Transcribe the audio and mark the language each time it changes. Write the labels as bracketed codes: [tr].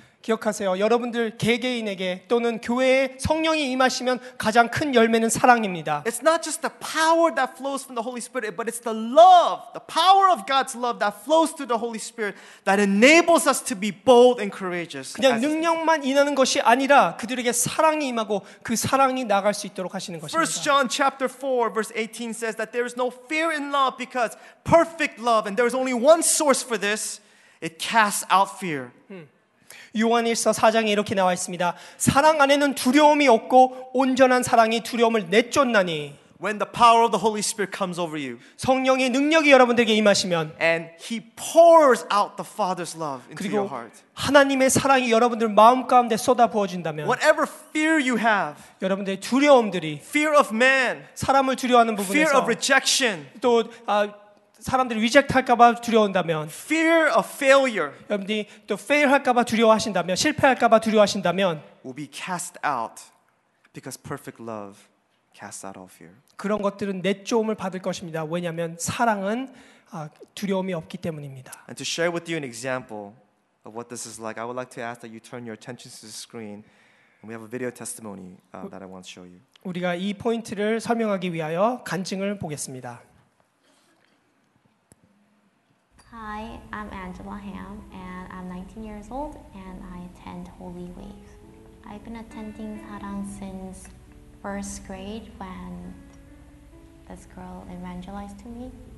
[ko] 기억하세요. 여러분들 개개인에게 또는 교회에 성령이 임하시면 가장 큰 열매는 사랑입니다. [en] It's not just the power that flows from the Holy Spirit, but it's the love, the power of God's love that flows through the Holy Spirit that enables us to be bold and courageous. [ko] 그냥 능력만 임하는 것이 아니라 그들에게 사랑이 임하고 그 사랑이 나갈 수 있도록 하시는 것입니다. [en] 1 John chapter 4 verse 18 says that there is no fear in love because perfect love and there is only one source for this. It casts out fear. [ko] 요한일서 4장에 이렇게 나와 있습니다. 사랑 안에는 두려움이 없고 온전한 사랑이 두려움을 내쫓나니 [en] When the power of the Holy Spirit comes over you. [ko] 성령의 능력이 여러분들에게 임하시면 [en] and he pours out the Father's love into your heart. [ko] 하나님의 사랑이 여러분들 마음 가운데 쏟아 부어진다면 [en] whatever fear you have. [ko] 여러분들의 두려움들이 [en] fear of man. [ko] 사람을 두려워하는 부분에서 [en] fear of rejection. [ko] 또 사람들이 리젝트할까봐 두려운다면, [en] fear of failure. [ko] 여러분이 또 fail할까봐 두려워하신다면, 실패할까봐 두려워하신다면, [en] will be cast out because perfect love casts out all fear. [ko] 그런 것들은 내쫓음을 받을 것입니다. 왜냐하면 사랑은 두려움이 없기 때문입니다. [en] And to share with you an example of what this is like, I would like to ask that you turn your attention to the screen. We have a video testimony that I want to show you. [ko] 우리가 이 포인트를 설명하기 위하여 간증을 보겠습니다. [en] Hi, I'm Angela Ham, and I'm 19 years old, and I attend Holy Wave. I've been attending Sarang since first grade when this girl evangelized to me.